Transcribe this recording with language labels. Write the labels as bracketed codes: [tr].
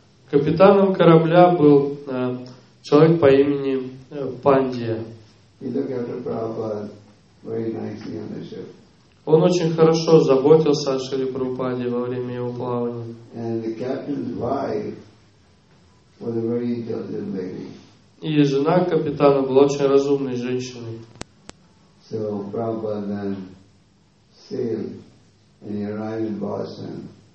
[ru] Капитаном корабля был человек по имени Пандия. [en] He looked after Prabhupada very nicely on the ship. [ru] Он очень хорошо заботился о Шриле Прабхупаде во время его плавания. [en] And the captain's wife was a very intelligent lady. [ru] И жена капитана была очень разумной женщиной. [en] So Prabhupada then sailed and he arrived in Boston.